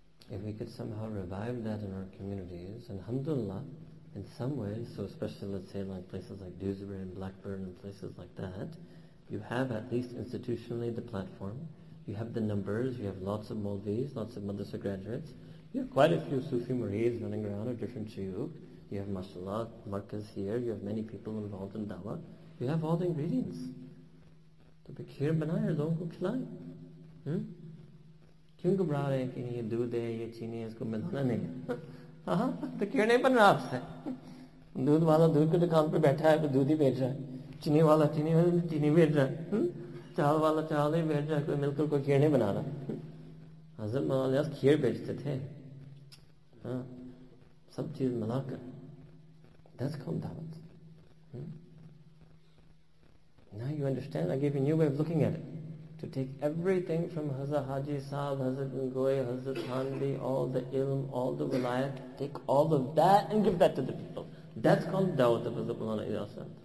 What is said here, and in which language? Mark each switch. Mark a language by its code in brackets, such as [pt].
[en] If we could somehow revive that in our communities, and alhamdulillah, in some ways, so especially let's say like places like Dewsbury and Blackburn and places like that, you have at least institutionally the platform, you have the numbers, you have lots of Maulvis, lots of madrasa graduates, you have quite a few Sufi Murids running around or different shuyukh, you have mashallah, markaz here, you have many people involved in dawah, you have all the ingredients. [ur] تو بے کھیر بنائی اور لوگوں کو کھلائی۔ کیوں گھبرا رہے ہیں کہ یہ دودھ ہے یہ چینی ہے اس کو ملانا نہیں ہے۔ تو کھیر نہیں بن رہا ہے۔ دودھ والا دودھ کی دکان پہ بیٹھا ہے تو دودھ ہی بیچ رہا ہے۔ چینی والا چینی ہے تو چینی بیچ رہا ہے۔ چاول والا چاول ہی بیچ رہا ہے کوئی مل کر کوئی کھیر نہیں بنا رہا۔ حضرت مولانا الیاس کھیر بیچتے تھے۔ سب چیز ملا کر۔ [en] That's called dawat. Now you understand, I gave you a new way of looking at it. To take everything from Hazrat Haji Saab, Hazrat Gangohi, Hazrat Thanvi, all the ilm, all the wilayat, take all of that and give that to the people. That's called Dawat of Hazrat Mawlana Ilyas.